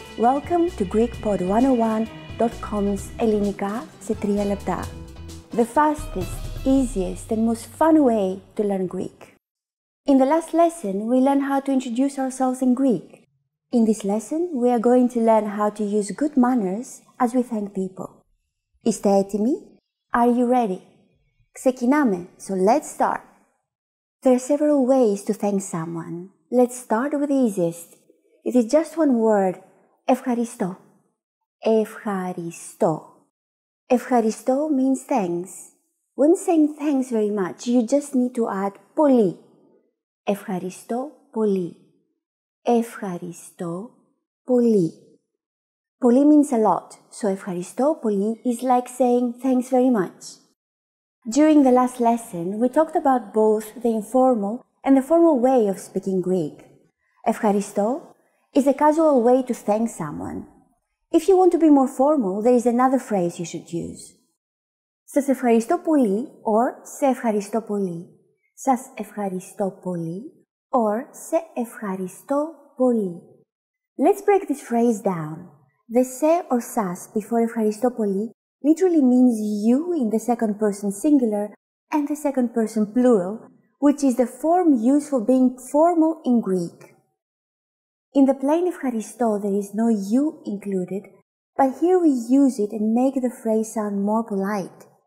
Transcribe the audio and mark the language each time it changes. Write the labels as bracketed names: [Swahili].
[English] Welcome to GreekPod101.com's [Greek] Ελληνικά σε 3 λεπτά. [English] The fastest, easiest and most fun way to learn Greek. In the last lesson, we learned how to introduce ourselves in Greek. In this lesson, we are going to learn how to use good manners as we thank people. [Greek] Είστε έτοιμοι? [English] Are you ready? [Greek] Ξεκινάμε, [English] so let's start. There are several ways to thank someone. Let's start with the easiest. It is just one word. [Greek] Ευχαριστώ. Ευχαριστώ. [English] Ευχαριστώ means thanks. When saying thanks very much, you just need to add πολύ. [Greek] Ευχαριστώ πολύ. Ευχαριστώ πολύ. [English] Πολύ means a lot, so [Greek] ευχαριστώ πολύ [English] is like saying thanks very much. During the last lesson, we talked about both the informal and the formal way of speaking Greek. Ευχαριστώ is a casual way to thank someone. If you want to be more formal, there is another phrase you should use. [Greek] Σας ευχαριστώ πολύ [English] or [Greek] σε ευχαριστώ πολύ. Σας ευχαριστώ πολύ [English] or [Greek] σε ευχαριστώ πολύ. [English] Let's break this phrase down. The σε or σας before [Greek] ευχαριστώ πολύ [English] literally means you in the second person singular and the second person plural, which is the form used for being formal in Greek. In the plain ευχαριστώ, there is no you included, but here we use it and make the phrase sound more polite.